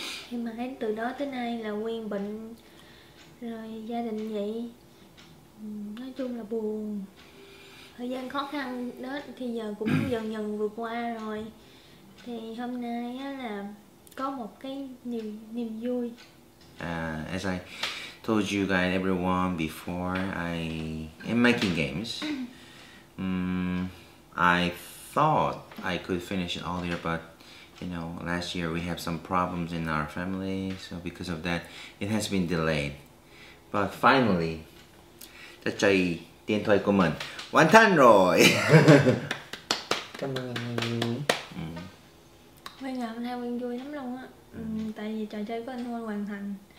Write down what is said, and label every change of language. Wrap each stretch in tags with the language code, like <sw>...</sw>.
<vi>Thì mà đến từ đó tới nay là Quyên bệnh rồi, gia đình vậy, nói chung là buồn, thời gian khó khăn đó thì giờ cũng dần dần vượt qua rồi. Thì hôm nay á là có một cái niềm vui.</vi> <en>As I told you guys, everyone, before I am making games, I thought I could finish it all year, but you know, last year we have some problems in our family, so because of that, it has been delayed. But finally,</en> <vi>đã chạy điện thoại của mình hoàn thành rồi. Cảm ơn. Quyên ngày hôm nay Quyên vui lắm luôn á, tại vì trò chơi của anh Huân hoàn thành.</vi>